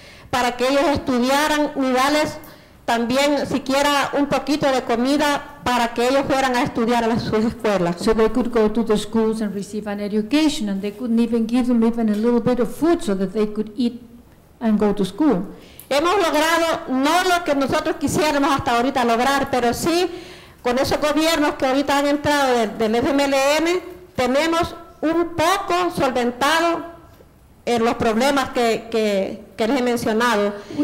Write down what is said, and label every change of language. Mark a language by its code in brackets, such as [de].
[es] Para que ellos estudiaran y darles también siquiera un poquito de comida para que ellos fueran a estudiar a las sus escuelas. [en] So they could go to the schools and receive an education, and they couldn't even give them even a little bit of food so that they could eat and go to school. [es] Hemos logrado no lo que nosotros quisiéramos hasta ahorita lograr, pero sí con esos gobiernos que ahorita han entrado del FMLN, tenemos un poco solventado en los problemas que les he mencionado,